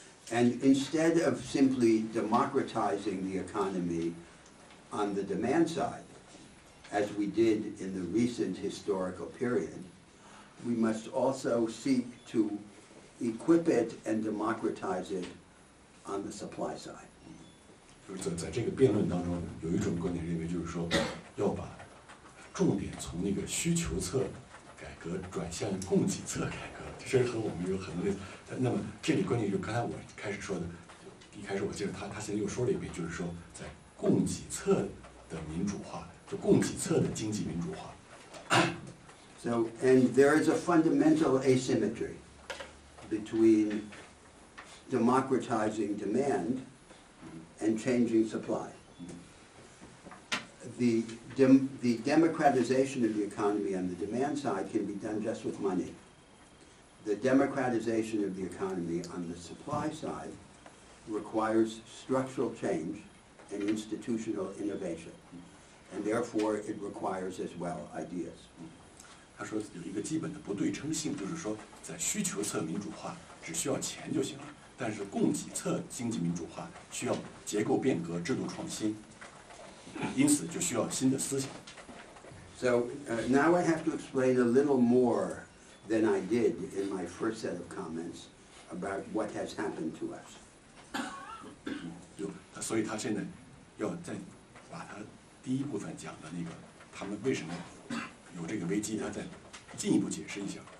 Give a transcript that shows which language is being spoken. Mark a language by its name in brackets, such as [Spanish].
[English] And instead of simply democratizing the economy on the demand side, as we did in the recent historical period, we must also seek to equip it and democratize it on the supply side. [Chinese] 就是在这个辩论当中，有一种观点认为，就是说，要把重点从那个需求侧改革转向供给侧改革，这是和我们有很多的。那么这里关键就是刚才我开始说的，一开始我记得他现在又说了一遍，就是说在供给侧的民主化，就供给侧的经济民主化。 [English] So, and there is a fundamental asymmetry between democratizing demand and changing supply. The democratization of the economy on the demand side can be done just with money. The democratization of the economy on the supply side requires structural change and institutional innovation. And therefore, it requires as well ideas. [Chinese] 他说有一个基本的不对称性，就是说在需求侧民主化只需要钱就行了，但是供给侧经济民主化需要结构变革、制度创新，因此就需要新的思想。 [English] So, now I have to explain a little more than I did in my first set of comments about what has happened to us. [Chinese] 所以他现在要再把他第一部分讲的那个他们为什么有这个危机，他再进一步解释一下。